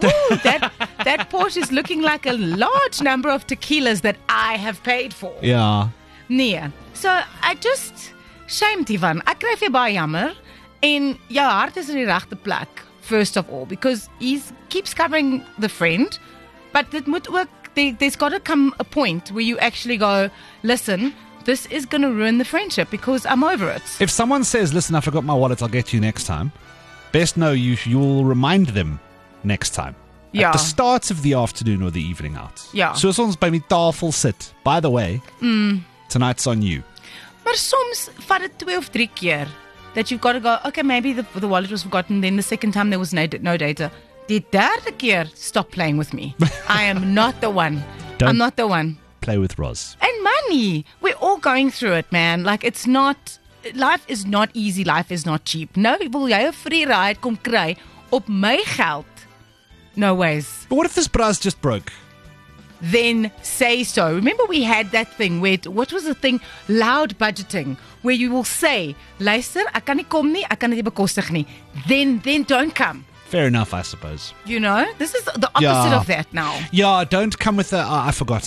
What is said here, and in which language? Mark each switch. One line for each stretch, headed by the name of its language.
English: Ooh, that Porsche is looking like a large number of tequilas that I have paid for. Yeah. Nee. So, I just, shame, Divan.
Afrikaans: Ek kry jou baie jammer, en jou hart is in die regte plek.
English: First of all, because he keeps covering the friend, but it
Afrikaans: moet ook,
English: there's got to come a point where you actually go, listen, this is going to ruin the friendship because I'm over it. If someone says, listen, I forgot my wallet, I'll get you next time, best know you'll remind them next time. Yeah. At the start of the afternoon or the evening out. Yeah. So as long as
Afrikaans: by me tafel sit,
English: by the way, tonight's on you.
Afrikaans: But soms vat het 2 of 3 keer.
English: That you've got to go, okay, maybe the wallet was forgotten. Then the second time there was no data.
Afrikaans: Die derde keer,
English: stop playing with me. I am not the one. Don't I'm not the one. Play with Roz. And money. We're all going through it, man. Like, it's not, life is not easy. Life is not cheap.
Afrikaans: Nou wil jy 'n free ride kom kry op my geld?
English: No ways. But what if this bras just broke? Then say so. Remember we had that thing where, what was the thing? Loud budgeting. Where you will say,
Afrikaans: luister, ek kan nie kom nie, ek kan dit nie bekostig nie.
English: Then don't come. Fair enough, I suppose. You know, this is the opposite of that now. Yeah, don't come with the, I forgot.